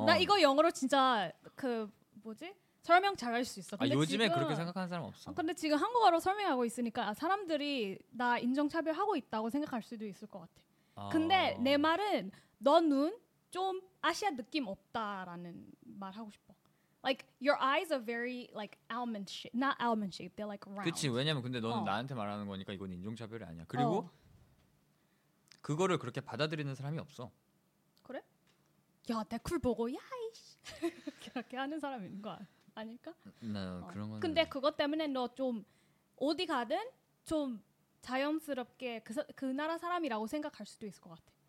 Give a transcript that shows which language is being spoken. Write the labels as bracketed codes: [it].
[ko] 나 이거 영어로 진짜 그 뭐지? 설명 잘할 수 있어. 근데 요즘에 지금, 그렇게 생각하는 사람 없어. 근데 지금 한국어로 설명하고 있으니까 사람들이 나 인종차별하고 있다고 생각할 수도 있을 것 같아. 근데 내 말은 너 눈 좀 아시아 느낌 없다라는 말 하고 싶어. [en] Like your eyes are very like almond shape, not almond shape. They're like round. [ko] 그렇지. 왜냐면 근데 너는 나한테 말하는 거니까 이건 인종 차별이 아니야. 그리고 그거를 그렇게 받아들이는 사람이 없어. 그래? 야, 댓글 보고 야이씨. 그렇게 하는 사람인 거 아닐까? 나 그런 건. 근데 그것 때문에 너 좀 어디 가든 좀 자연스럽게 그 나라 사람이라고 생각할 수도 있을 것 같아.